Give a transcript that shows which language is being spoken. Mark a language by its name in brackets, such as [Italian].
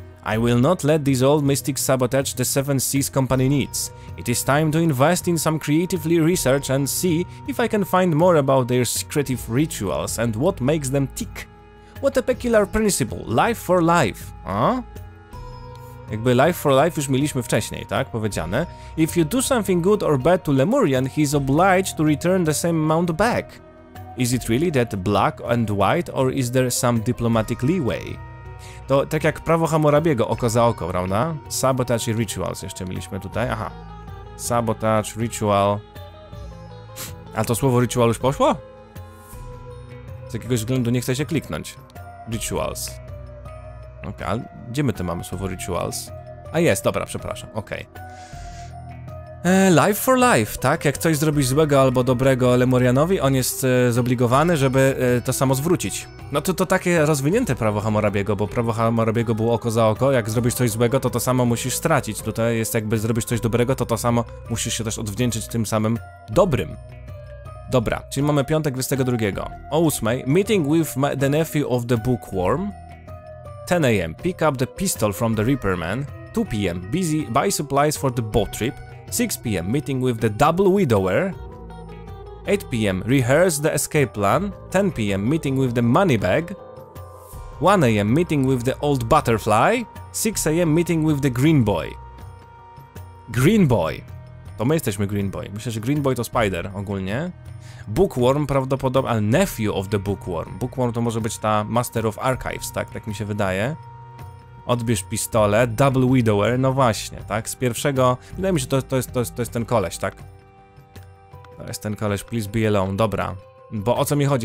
[English] I will not let these old mystics sabotage the Seven Seas Company needs. It is time to invest in some creatively research and see if I can find more about their secretive rituals and what makes them tick. What a peculiar principle, life for life. Huh? [Polish] Jakby [English] life for life [Polish] już mieliśmy wcześniej, tak? Powiedziane. [English] If you do something good or bad to Lemurian, he is obliged to return the same amount back. Is it really that black and white or is there some diplomatic leeway? [Polish] To tak jak prawo Hammurabiego, oko za oko, prawda? [English] Sabotage rituals [Polish] jeszcze mieliśmy tutaj, aha. Sabotage, ritual... A to słowo ritual już poszło? Z jakiegoś względu nie chce się kliknąć. Rituals. Okej, okay, gdzie my to mamy słowo rituals? A jest, dobra, przepraszam, okej. Okay. [English] Life for life, [Polish] tak? Jak coś zrobić złego albo dobrego Lemurianowi, on jest zobligowany, żeby to samo zwrócić. No to takie rozwinięte prawo Hammurabiego, bo prawo Hammurabiego było oko za oko. Jak zrobisz coś złego, to samo musisz stracić. Tutaj jest jakby zrobisz coś dobrego, to samo musisz się też odwdzięczyć tym samym dobrym. Dobra, czyli mamy piątek 22. O 8. [English] Meeting with the nephew of the bookworm. 10 a.m. Pick up the pistol from the repairman. 2 p.m. Busy buy supplies for the boat trip. 6 p.m. Meeting with the double widower. 8 p.m. Rehearse the escape plan. 10 p.m. Meeting with the money bag. 1 a.m. Meeting with the old butterfly. 6 a.m. Meeting with the green boy. Green boy. [Polish] To my jesteśmy [English] green boy. [Polish] Myślę, że green boy to spider ogólnie. Bookworm prawdopodobnie, ale [English] nephew of the bookworm. [Polish] Bookworm to może być ta Master of Archives, tak? Tak mi się wydaje. Odbierz pistolet. [English] Double widower. [Polish] No właśnie, tak? Z pierwszego... Wydaje mi się, to jest ten koleś, tak? To jest ten koleś, [English] please be alone. [Polish] Dobra. Bo o co mi chodzi?